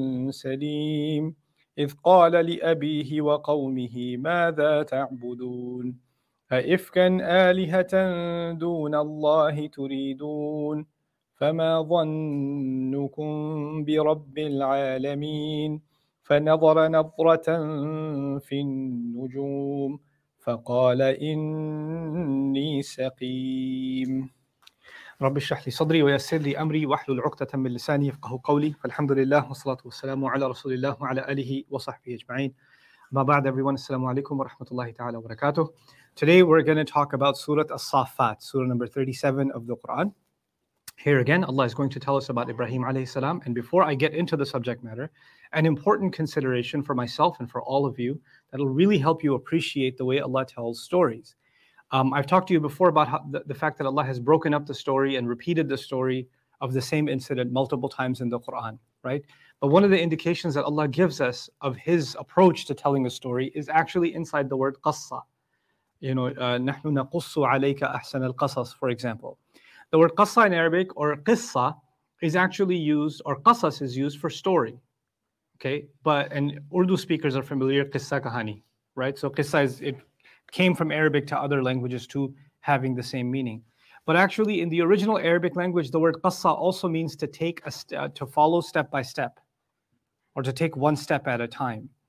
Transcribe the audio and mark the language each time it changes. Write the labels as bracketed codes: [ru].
[ar] سليم إذ قال لأبيه وقومه ماذا تعبدون أئفكا آلهة دون الله تريدون فما ظنكم برب العالمين فنظر نظرة في النجوم فقال إني سقيم رب اشرح لي صدري ويسر لي أمري واحلل عقدة من لساني يفقهوا قولي فالحمد لله والصلاة والسلام على رسول الله وعلى آله وصحبه أجمعين ما بعد everyone السلام عليكم ورحمة الله تعالى وبركاته. [en] Today we're going to talk about Surah As-Saffat, Surah number 37 of the Quran. Here again, Allah is going to tell us about Ibrahim alayhi salam. And before I get into the subject matter, an important consideration for myself and for all of you that'll really help you appreciate the way Allah tells stories. I've talked to you before about how the fact that Allah has broken up the story and repeated the story of the same incident multiple times in the Quran, right? But one of the indications that Allah gives us of His approach to telling a story is actually inside the word qassa. You know, [ar] نَحْنُ نَقُصُّ عَلَيْكَ أَحْسَنَ الْقَصَصِ, for example. [en] The word qassa in Arabic, or qissa, is actually used, or qassas is used for story. Okay, but, and Urdu speakers are familiar, qissa kahani, right? So qissa is, it came from Arabic to other languages too, having the same meaning. But actually in the original Arabic language, the word qassa also means to take a to follow step by step, or to take one step at a time.